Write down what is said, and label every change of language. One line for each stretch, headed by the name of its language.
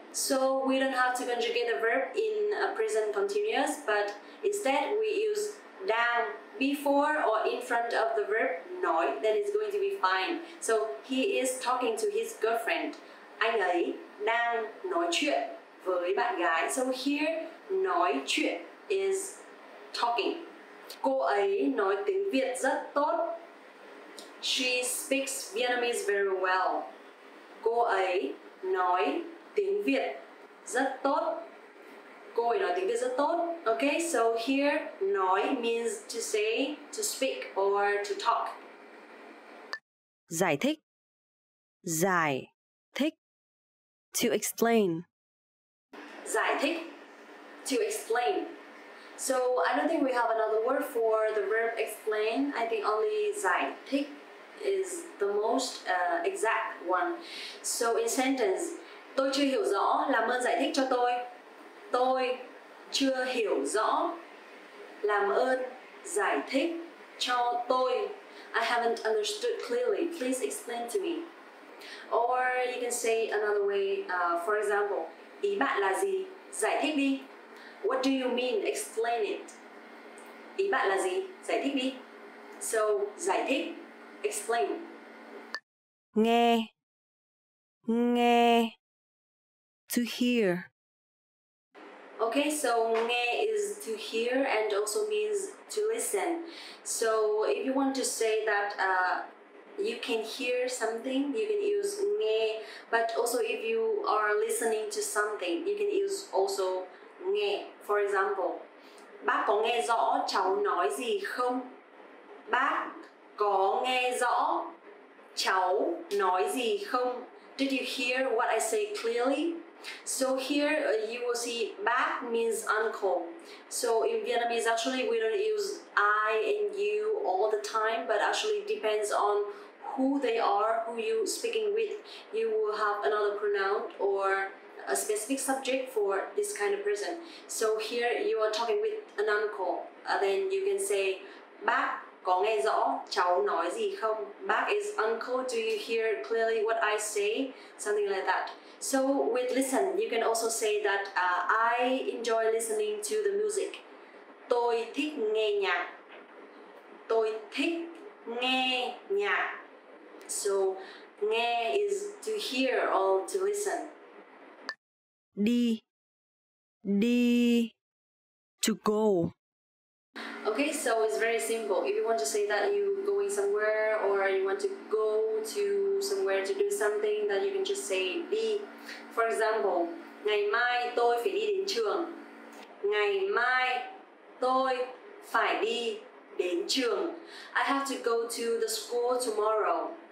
English: So we don't have to conjugate the verb in a present continuous, but instead we use đang before or in front of the verb nói, then it's going to be fine. So he is talking to his girlfriend.
Vietnamese: Anh ấy đang nói chuyện với bạn gái.
English: So here nói chuyện is talking.
Vietnamese: Cô ấy nói tiếng Việt rất tốt.
English: She speaks Vietnamese very well.
Vietnamese: Cô ấy nói tiếng Việt rất tốt. Cô ấy nói tiếng Việt rất tốt.
English: Okay, so here nói means to say, to speak or to talk.
Vietnamese: Giải thích. Giải thích.
English: To explain.
Vietnamese: Giải thích.
English: To explain. So I don't think we have another word for the verb explain. I think only giải thích is the most exact one. So in sentence,
Vietnamese: tôi chưa hiểu rõ, làm ơn giải thích cho tôi. Tôi chưa hiểu rõ, làm ơn giải thích cho tôi.
English: I haven't understood clearly. Please explain to me. Or you can say another way. For example,
Vietnamese: ý bạn là gì? Giải thích đi.
English: What do you mean? Explain it.
Vietnamese: Ý bạn là gì? Giải thích đi.
English: So, giải thích. Explain.
Vietnamese: Nghe. Nghe.
English: To hear. Okay, so nghe is to hear and also means to listen. So, if you want to say that you can hear something, you can use nghe. But also, if you are listening to something, you can use also nghe. For example,
Vietnamese: bác có nghe rõ cháu nói gì không? Bác có nghe rõ cháu nói gì không?
English: Did you hear what I say clearly? So here you will see ba means uncle. So in Vietnamese, actually, we don't use I and you all the time, but actually depends on who they are, who you speaking with. You will have another pronoun or a specific subject for this kind of person. So here you are talking with an uncle. Then you can say,
Vietnamese: bác có nghe rõ cháu nói gì không?
English: Bác is uncle, do you hear clearly what I say? Something like that. So with listen, you can also say that I enjoy listening to the music.
Vietnamese: Tôi thích nghe nhạc. Tôi thích nghe nhạc.
English: So nghe is to hear or to listen. Đi, to go. Okay, so it's very simple. If you want to say that you're going somewhere or you want to go to somewhere to do something, then you can just say đi. For example,
Vietnamese: ngày mai tôi phải đi đến trường. Ngày mai tôi phải đi đến trường.
English: I have to go to the school tomorrow.